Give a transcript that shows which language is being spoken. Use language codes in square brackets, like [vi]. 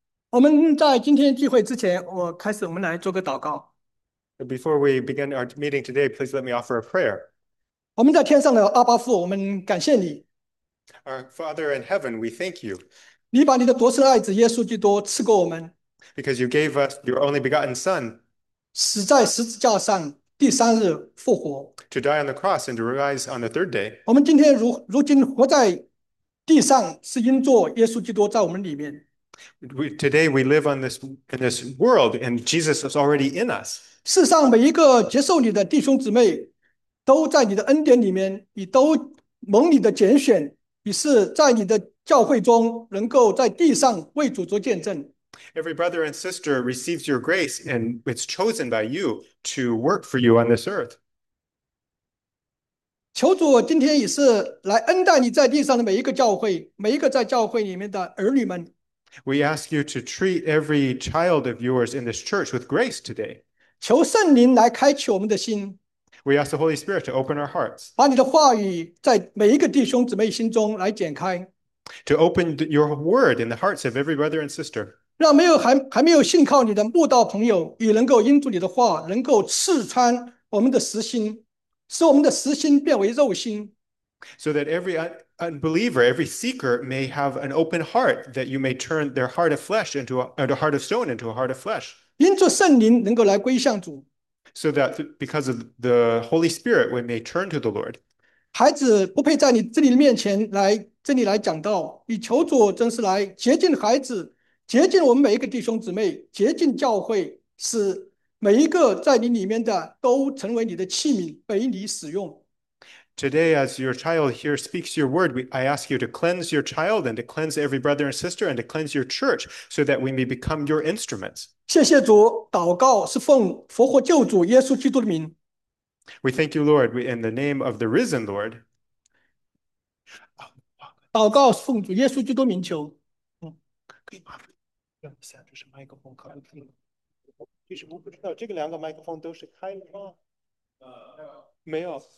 [zh] 我们在今天聚会之前，我开始，我们来做个祷告。 [en] Before we begin our meeting today, please let me offer a prayer. [zh] 我们在天上的阿巴父，我们感谢你。 [en] Our Father in heaven, we thank you. [zh] 你把你的独生爱子耶稣基督赐给我们， [en] Because you gave us your only begotten Son [zh] 死在十字架上。第三日复活， [en] to die on the cross and to rise on the third day. [zh] 我们今天如今活在地上，是因着耶稣基督在我们里面。 [en] Today we live on this world, and Jesus is already in us. [zh] 世上每一个接受你的弟兄姊妹，都在你的恩典里面，你都蒙你的拣选，你是在你的教会中能够在地上为主做见证。 [en] Every brother and sister receives your grace, and it's chosen by you to work for you on this earth. [zh] 求主今天也是来恩待你在地上的每一个教会，每一个在教会里面的儿女们。 [en] We ask you to treat every child of yours in this church with grace today. [zh] 求圣灵来开启我们的心， [en] We ask the Holy Spirit to open our hearts, [zh] 把你的话语在每一个弟兄姊妹心中来剪开， [en] to open your word in the hearts of every brother and sister. [zh] 让还没有信靠你的慕道朋友也能够因着你的话，能够刺穿我们的实心。使我们的实心变为肉心， [en] So that unbeliever, every seeker may have an open heart, that you may turn their heart of flesh into a heart of stone into a heart of flesh. [zh] 因着圣灵能够来归向主。 [en] So that because of the Holy Spirit, we may turn to the Lord. [zh] 孩子不配在你这里面前来这里来讲道，你求主真是来洁净孩子，洁净我们每一个弟兄姊妹，洁净教会，使。每一个在你里面的都成为你的器皿，被你使用。 [en] Today, as your child here speaks your word, I ask you to cleanse your child and to cleanse every brother and sister and to cleanse your church so that we may become your instruments. [zh] 谢谢主，祷告是奉复活救主耶稣基督的名。 [en] We thank you, Lord, in the name of the risen Lord. [zh] 祷告是奉主耶稣基督名求。可以麻烦让一下，这是麦克风开了，就是我不知道这个两个麦克风都是开的吗？没有。